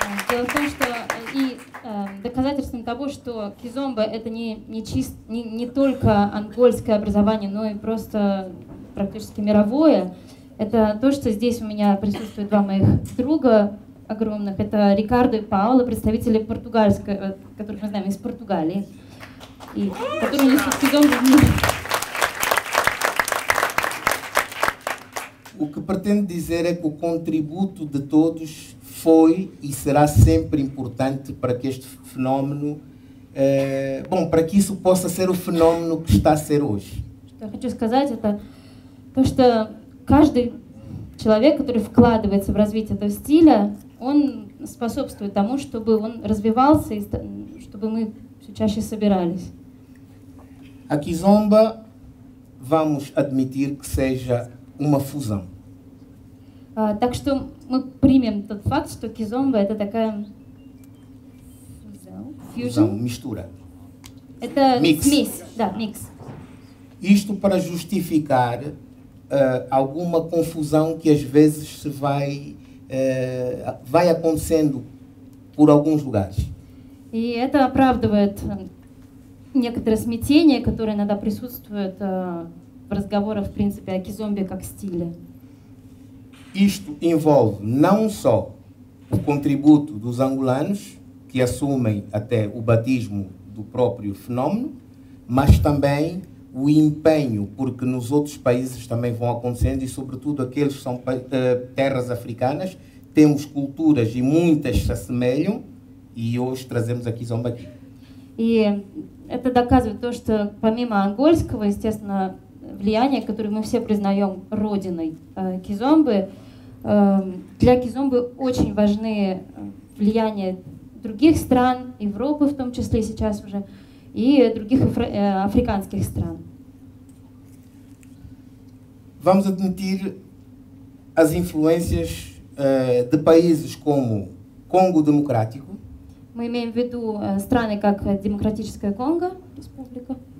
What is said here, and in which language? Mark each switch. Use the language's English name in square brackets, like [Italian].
[Russian] Дело в том, что и доказательством того, что кизомба это не только ангольское образование, но и просто практически мировое. Это то, что здесь у меня присутствуют два моих друга огромных. Это Рикардо и Пауло, представители португальской, которых мы знаем из Португалии. И которые несут кизомбу в мир. [Portuguese] O que pretendo dizer é que o contributo de todos foi e será sempre importante para que este fenómeno, bom, para que isso possa ser o fenómeno que está a ser hoje. [Russian] Что я хочу сказать, это то, что каждый человек, который вкладывается в развитие этого стиля, он способствует тому, чтобы он развивался и чтобы мы все чаще собирались. [Portuguese] A kizomba, vamos admitir que seja uma fusão. [Russian] Так что мы примем тот факт, что кизомба это такая фьюжн, мистура. Это микс, да, микс. [Portuguese] Isto para justificar alguma confusão que às vezes se vai vai acontecendo por alguns lugares. E [Russian] это оправдывает некоторое смятение, которое иногда присутствует в разговорах, в принципе, о кизомбе как стиле. [Portuguese] Isto envolve não só o contributo dos angolanos, que assumem até o batismo do próprio fenómeno, mas também o empenho, porque nos outros países também vão acontecendo, e sobretudo aqueles que são terras africanas, temos culturas e muitas se assemelham, e hoje trazemos aqui Zombaqui. [Russian] И это доказывает то, что помимо ангольского, естественно, влияния, которое мы все признаем родиной кизомбы, для кизомбы очень важны влияния других стран, Европы в том числе сейчас уже, и других африканских стран. [Portuguese] Vamos admitir as influências de países como Congo Democrático. [Russian] Мы имеем в виду страны, как Демократическая Конго, Республика.